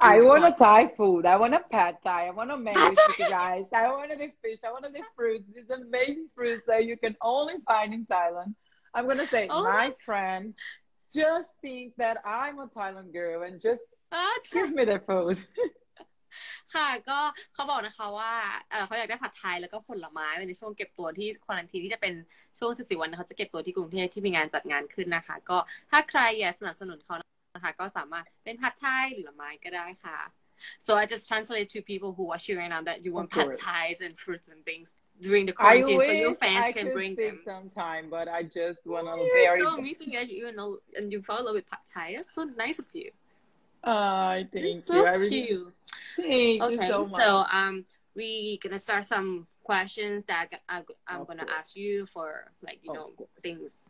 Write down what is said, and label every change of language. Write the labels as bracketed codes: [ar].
[en] I want a Thai food. I want a pad Thai. I want a mango pad Thai, guys. I want the fish. I want the fruits. These amazing fruits that you can only find in Thailand. I'm going to say, oh, my friend, just think that I'm a Thailand girl and just oh, give me the food. [th] ค่ะก็เขาบอกนะคะว่าเขาอยากได้ผัดไทยแล้วก็ผลไม้ในช่วงเก็บตัวที่ควอรันทีนที่จะเป็นช่วง14วันเขาจะเก็บตัวที่กรุงเทพที่มีงานจัดงานขึ้นนะคะก็ถ้าใครอยากสนับสนุนเขานะคะก็สามารถเป็นผัดไทยหรือผลไม้ก็ได้ค่ะ [en] so I just translate to people who watch you right now that you want ผัดไทย and fruits and things during the quarantine so your fans I can bring them sometime but I just want to very so amazing that you even know and you follow with Pad Thai it's so nice of you thank you. Okay, so we're gonna start some questions that I'm gonna ask you for, like, you know, things.